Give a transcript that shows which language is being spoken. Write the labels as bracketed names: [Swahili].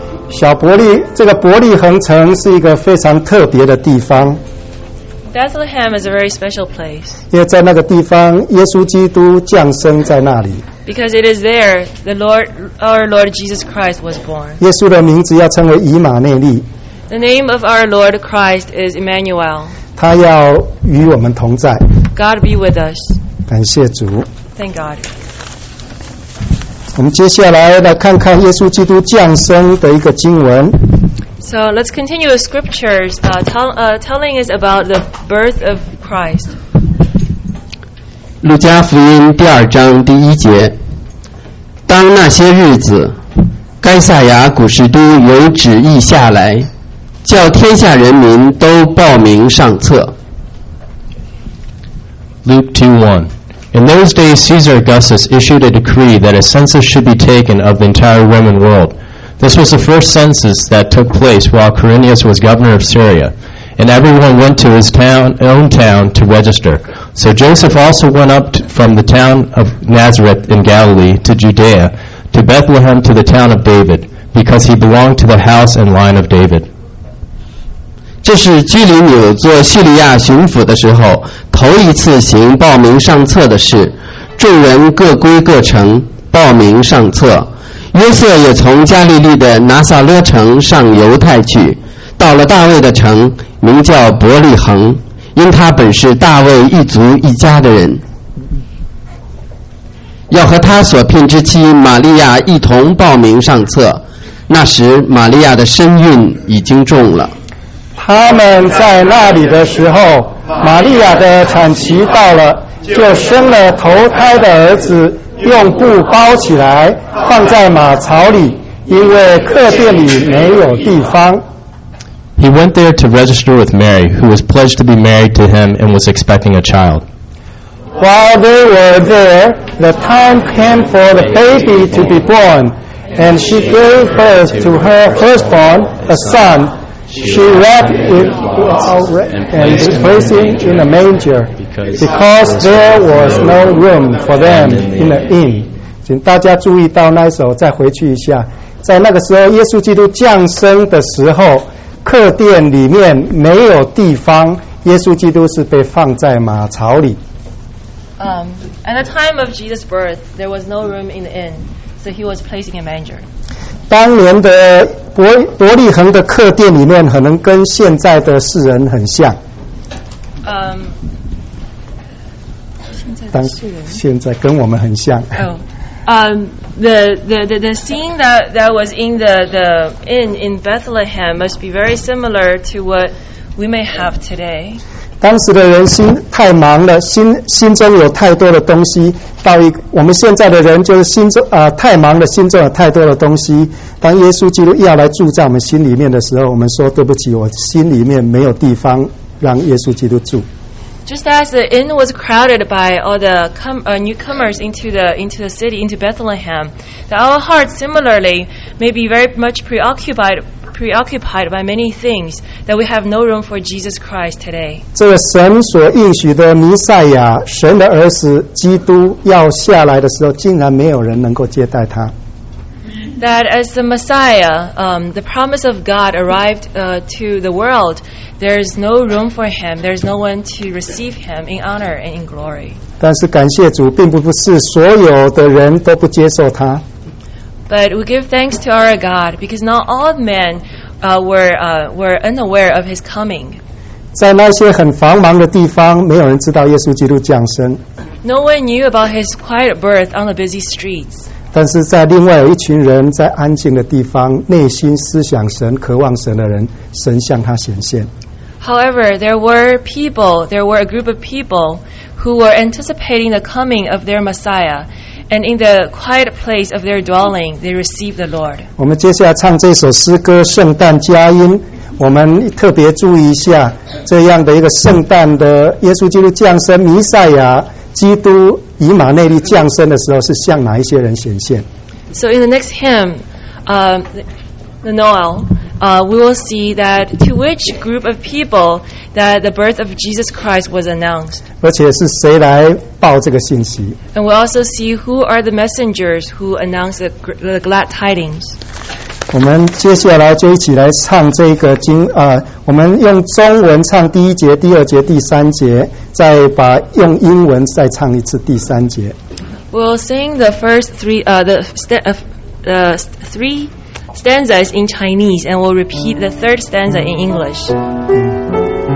[Chinese] 小伯利，这个伯利恒城是一个非常特别的地方。 [English] Bethlehem is a very special place. [Chinese] 因为在那个地方，耶稣基督降生在那里。 [English] Because it is there the Lord, our Lord Jesus Christ was born. [Chinese] 耶稣的名字要称为以马内利。 [English] The name of our Lord Christ is Emmanuel. [Chinese] 他要与我们同在。 [English] God be with us. [Chinese] 感谢主。 [English] Thank God. [Chinese] 我们接下来来看看耶稣基督降生的一个经文。 [English] So let's continue the scriptures, telling us about the birth of Christ. [Chinese] 路加福音第二章第一节，当那些日子，该撒亚古士都有旨意下来，叫天下人民都报名上册。 [English] Luke 2:1. In those days, Caesar Augustus issued a decree that a census should be taken of the entire Roman world. This was the first census that took place while Quirinius was governor of Syria, and everyone went to his own town to register. So Joseph also went up from the town of Nazareth in Galilee to Judea, to Bethlehem, to the town of David, because he belonged to the house and line of David. [Chinese] 这是居里纽做叙利亚巡抚的时候头一次行报名上册的事，众人各归各城报名上册。约瑟也从加利利的拿撒勒城上犹太去，到了大卫的城，名叫伯利恒，因他本是大卫一族一家的人，要和他所聘之妻玛利亚一同报名上册。那时玛利亚的身孕已经重了，他们在那里的时候，玛利亚的产期到了，就生了头胎的儿子，用布包起来放在马槽里，因为客店里没有地方。 [English] He went there to register with Mary, who was pledged to be married to him and was expecting a child. While they were there, the time came for the baby to be born, and she gave birth to her firstborn, a son. She wrapped it and placed it in a manger because there was no room for them in the inn. [Chinese] 请大家注意到那时候，再回去一下，在那个时候耶稣基督降生的时候，客店里面没有地方，耶稣基督是被放在马槽里。 [English] At the time of Jesus' birth, there was no room in the inn, so he was placed in a manger. [Chinese] 当年的伯利恒的客店里面，可能跟现在的世人很像。现在跟我们很像。 [English] The scene that was in the inn in Bethlehem must be very similar to what we may have today. [Chinese] 当时的人心太忙了，心中有太多的东西。到我们现在的人就是心中太忙了，心中有太多的东西。当耶稣基督要来住在我们心里面的时候，我们说对不起，我心里面没有地方让耶稣基督住。 [English] Just as the inn was crowded by all the newcomers into the city, into Bethlehem, that our hearts similarly may be very much preoccupied by many things, that we have no room for Jesus Christ today. [Chinese] 这个神所应许的弥赛亚，神的儿子基督要下来的时候，竟然没有人能够接待他。 [English] That as the Messiah, the promise of God arrived to the world, there is no room for him, there is no one to receive him in honor and in glory. [Chinese] 但是感谢主，并不是所有的人都不接受他。 [English] But we give thanks to our God, because not all men were unaware of his coming. [Chinese] 在那些很繁忙的地方，没有人知道耶稣基督降生。 [English] No one knew about his quiet birth on the busy streets. [Chinese] 但是在另外有一群人在安静的地方，内心思想神、渴望神的人，神向他显现。 [English] However, there were a group of people who were anticipating the coming of their Messiah, and in the quiet place of their dwelling, they received the Lord. [Chinese] 我们接下来唱这首诗歌《圣诞佳音》，我们特别注意一下这样的一个圣诞的耶稣基督降生，弥赛亚。基督以马内利降生的时候是向哪一些人显现 [English] ？So in the next hymn, the Noel, we will see that to which group of people that the birth of Jesus Christ was announced. [Chinese] 而且是谁来报这个信息 [English] ？And we also see who are the messengers who announced the glad tidings. [Chinese] 我们接下来就一起来唱这个经啊、我们用中文唱第一节、第二节、第三节。再把用英文再唱一次第三节。 [English] We'll sing the first three stanzas in Chinese, and we'll repeat the third stanza in English.